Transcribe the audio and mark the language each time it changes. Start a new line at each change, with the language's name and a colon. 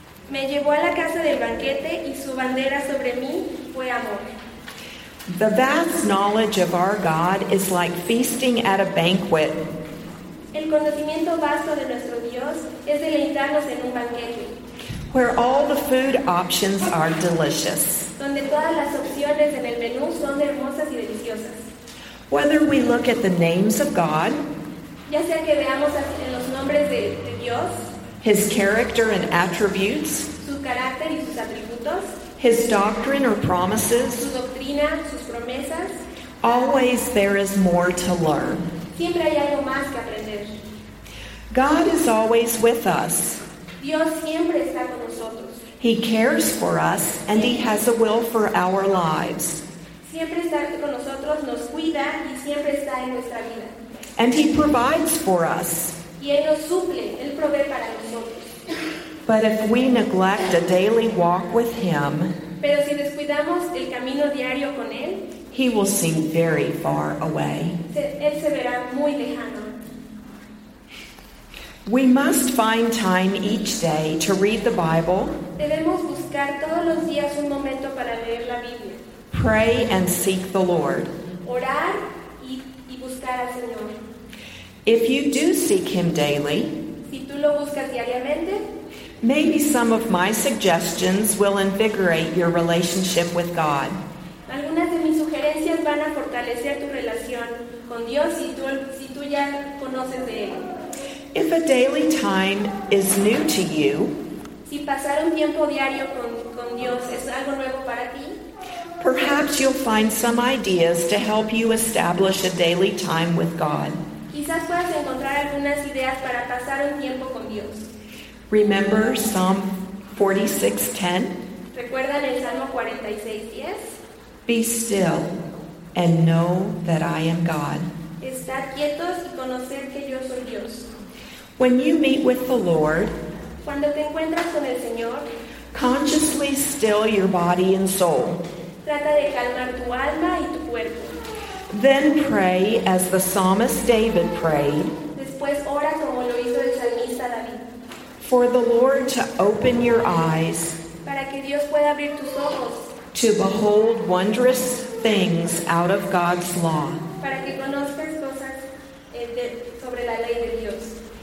Spanish: Me llevó a la casa del banquete, y su bandera sobre mí fue amor.
English: The vast knowledge of our God is like feasting at a banquet.
Spanish: El conocimiento vasto de nuestro Dios es deleitarnos en un banquete.
English: Where all the food options are delicious.
Spanish: Donde todas las opciones en el menú son hermosas y deliciosas.
English: Whether we look at the names of God,
Spanish: ya sea que veamos en los nombres de Dios,
English: His character and attributes,
Spanish: su carácter y sus atributos,
English: His doctrine or promises,
Spanish: su doctrina, sus promesas,
English: always there is more to learn.
Spanish: Siempre hay algo más que aprender.
English: God is always with us.
Spanish: Dios siempre está con nosotros.
English: He cares for us and He has a will for our lives.
Spanish: Siempre está con nosotros, nos cuida y siempre está en nuestra vida.
English: And He provides for us.
Spanish: Y Él nos suple, Él provee para nosotros.
English: But if we neglect a daily walk with Him,
Spanish: pero si descuidamos el camino diario con Él,
English: He will seem very far away.
Spanish: Él se verá muy lejano.
English: We must find time each day to read the Bible,
Spanish: debemos buscar todos los días un momento para leer la Biblia,
English: pray and seek the Lord.
Spanish: Orar y buscar al Señor.
English: If you do seek Him daily,
Spanish: si tú lo buscas diariamente?
English: Maybe some of my suggestions will invigorate your relationship with God.
Spanish: Algunas de mis sugerencias van a fortalecer tu relación con Dios si tú ya conoces de él.
English: If a daily time is new to you,
Spanish: si pasar un tiempo diario con Dios es algo nuevo para ti,
English: perhaps you'll find some ideas to help you establish a daily time with God.
Spanish: Quizás puedas encontrar algunas ideas para pasar un tiempo con Dios.
English: Remember Psalm 46:10?
Spanish: ¿Recuerdan el Salmo 46:10?
English: Be still and know that I am God.
Spanish: Estar quietos y conocer que yo soy Dios.
English: When you meet with the Lord,
Spanish: cuando te encuentras con el Señor,
English: consciously still your body and soul.
Spanish: Trata de calmar tu alma y tu cuerpo.
English: Then pray as the psalmist David prayed.
Spanish: Después ora como lo hizo el salmista David.
English: For the Lord to open your eyes.
Spanish: Para que Dios pueda abrir tus ojos.
English: To behold wondrous things out of God's law.
Spanish: Para que conozcas cosas sobre la ley de Dios.